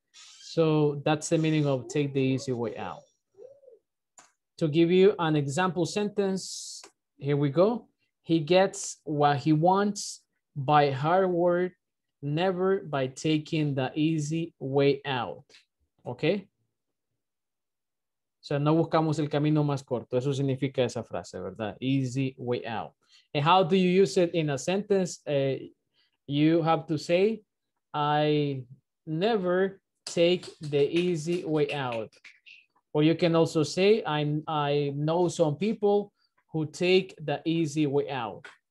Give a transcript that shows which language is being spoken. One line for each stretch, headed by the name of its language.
English: So that's the meaning of take the easy way out. To give you an example sentence, here we go. He gets what he wants by hard work, never by taking the easy way out. Okay?
Spanish: O sea, no buscamos el camino más corto. Eso significa esa frase, ¿verdad? Easy way out.
English: And how do you use it in a sentence? You have to say, I never take the easy way out. Or you can also say, I know some people who take the easy way out.